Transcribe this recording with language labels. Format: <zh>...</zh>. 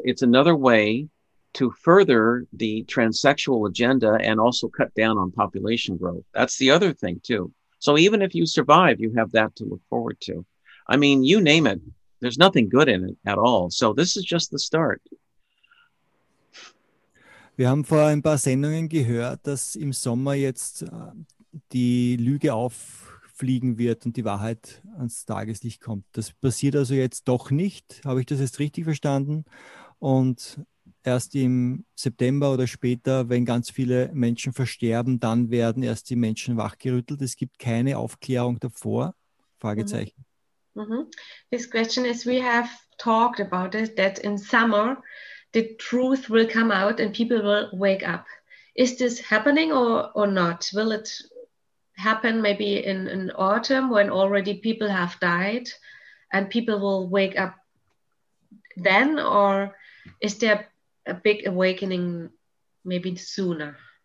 <en>It's another way to further the transsexual agenda and also cut down on population growth. That's the other thing too. So even if you survive, you have that to look forward to. I mean, you name it, there's nothing good in it at all. So this is just the start.</en> <de>Wir haben vor ein paar Sendungen gehört, dass im Sommer jetzt die Lüge auffliegen wird und die Wahrheit ans Tageslicht kommt. Das passiert also jetzt doch nicht. Habe ich das jetzt richtig verstanden? Und erst im September oder später, wenn ganz viele Menschen versterben, dann werden erst die Menschen wachgerüttelt. Es gibt keine Aufklärung davor? Fragezeichen. Mm-hmm.</de> <en>This question is, we have talked about it, that in summer the truth will come out and people will wake up. Is this happening or not? Will it happen maybe in autumn when already people have died and people will wake up then, or is there a big awakening maybe sooner?</en>